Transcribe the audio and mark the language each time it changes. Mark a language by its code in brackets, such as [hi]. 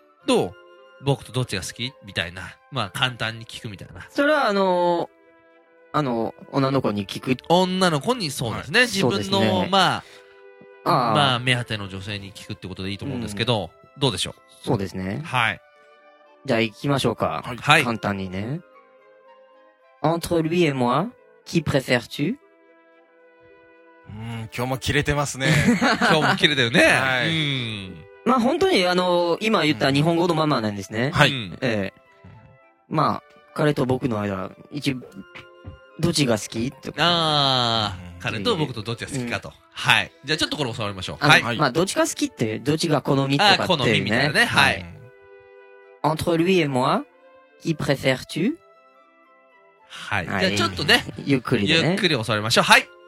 [ja] どう僕とどっちが好きみたいな、まあ簡単に聞くみたいな、それはあの女の子に聞く、女の子に、そうですね、はい、自分の、ね、まあ、あ、まあ目当ての女性に聞くってことでいいと思うんですけど、うん、どうでしょう。そうですね。はい。じゃあ行きましょうか。はい。簡単にね。 [fr] Entre lui et moi, qui préfères-tu? [ja] 今日もキレてますね。今日もキレてるね。はい。まあ本当に今言った日本語のままなんですね。はい。まあ、彼と僕の間、どっちが好きとか。ああ、彼と僕とどっちが好きかと。うん、はい。じゃあちょっとこれ教わりましょう。はい。まあ、どっちが好きって、どっちが好みとかっていう、ね。好みみたいなね。はい。 [fr] Entre lui et moi, qui préfères-tu? [ja] はい。じゃあちょっとね。ゆっくりね。ゆっくり教わりましょう。はい。